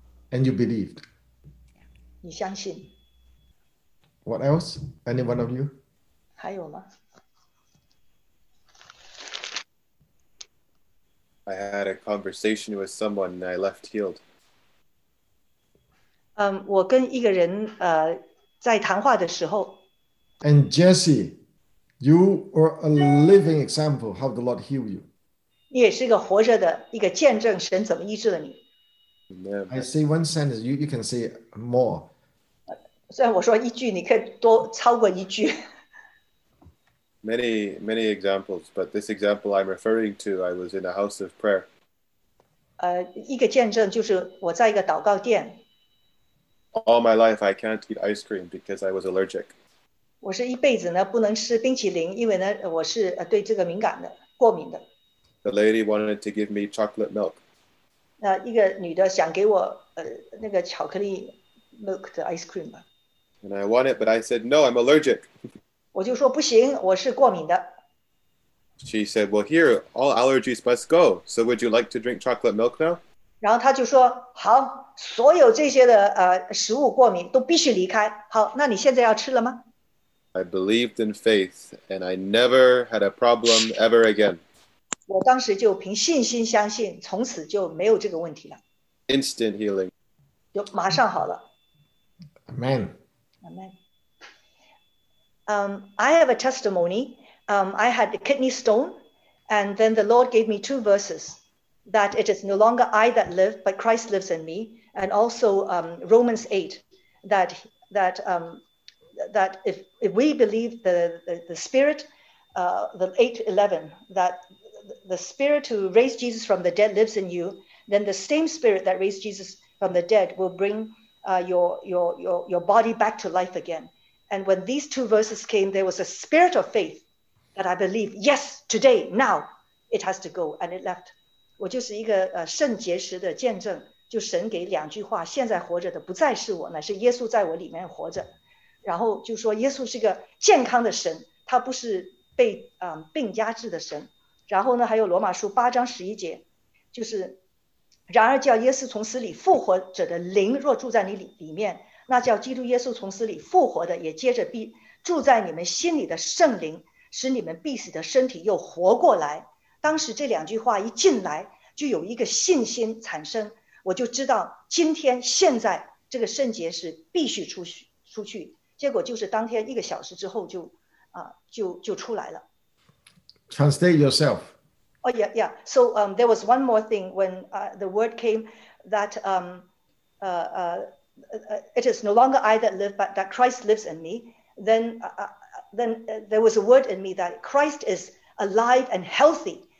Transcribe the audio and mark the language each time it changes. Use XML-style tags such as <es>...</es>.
<en>And you believed.</en> <zh>你相信。</zh> <en>What else? Any one of you?</en> <zh>还有吗？</zh> <en>I had a conversation with someone and I left healed.</en> <zh>我跟一个人在谈话的时候。</zh> <en>And Jesse, you are a living example how the Lord healed you.</en> <zh>你也是一个活着的一个见证，神怎么医治了你。</zh> <en>I say one sentence, you can say more.</en> <zh>虽然我说一句，你可以多超过一句。</zh> <en>Many, many examples, but this example I'm referring to, I was in a house of prayer.</en> <zh>一个见证就是我在一个祷告殿。</zh> <en>All my life, I can't eat ice cream because I was allergic.</en> <zh>我是一辈子呢不能吃冰淇淋，因为呢我是对这个敏感的，过敏的。</zh> <en>The lady wanted to give me chocolate milk.</en> <zh>那一个女的想给我那个巧克力 milk 的 ice cream 吧。</zh> <en>And I want it, but I said, no, I'm allergic.</en> <zh>我就说不行，我是过敏的。</zh> <en>She said, well, here, all allergies must go. So would you like to drink chocolate milk now?</en> <zh>然后她就说，好，所有这些的食物过敏都必须离开。好，那你现在要吃了吗？</zh> <en>I believed in faith, and I never had a problem ever again.</en> <zh>我当时就凭信心相信，从此就没有这个问题了。</zh> <en>Instant healing.</en> <zh>就马上好了。</zh> <en>Amen. Amen. I have a testimony. I had a kidney stone, and then the Lord gave me two verses, that it is no longer I that live, but Christ lives in me, and also Romans 8, that if we believe the Spirit, the 8:11, thatthe spirit who raised Jesus from the dead lives in you, then the same spirit that raised Jesus from the dead will bring your body back to life again. And when these two verses came, there was a spirit of faith that I believe, yes, today, now, it has to go, and it left.</en> <zh>我就是一个肾结石的见证，就神给两句话，现在活着的不再是我，乃是耶稣在我里面活着。然后就说耶稣是一个健康的神，他不是被病压制的神。然后呢，还有罗马书八章十一节，就是，然而叫耶稣从死里复活者的灵若住在你里面，那叫基督耶稣从死里复活的也接着必住在你们心里的圣灵，使你们必死的身体又活过来。当时这两句话一进来，就有一个信心产生，我就知道今天现在这个肾结石必须出去。结果就是当天一个小时之后就出来了。</zh> <en>Translate yourself. Oh, yeah, yeah. So there was one more thing when the word came that it is no longer I that live, but that Christ lives in me. Then there was a word in me that Christ is alive and healthy.</en>